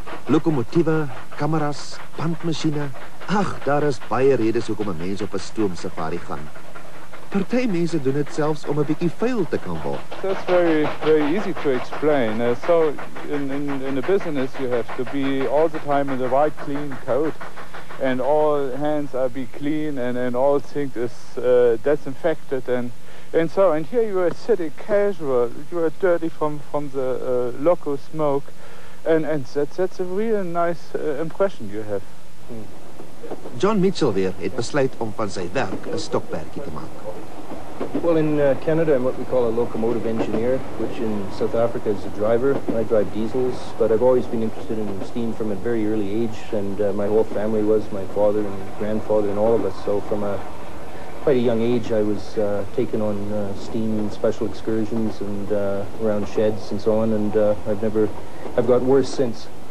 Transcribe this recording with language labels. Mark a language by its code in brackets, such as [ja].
[af] Lokomotiewe, kameras, bandmasjiene. Ag, daar is baie redes hoekom 'n mens op 'n stoom safari gaan. Party mense doen dit selfs om 'n bietjie vuil te kan word. [en] That's very, very easy to explain. So in a business you have to be all the time in the right clean coat and all hands are be clean and all things is disinfected and And here you were sitting casual, you were dirty from the local smoke, and that's a real nice impression you have. [af] John Mitchell weer het besluit om van sy werk 'n stokperdjie te maak. [en] Well, in Canada, I'm what we call a locomotive engineer, which in South Africa is a driver. I drive diesels, but I've always been interested in steam from a very early age, and my whole family was, my father and grandfather and all of us. So from quite a young age, I was taken on steam and special excursions and around sheds and so on, and I've got worse since.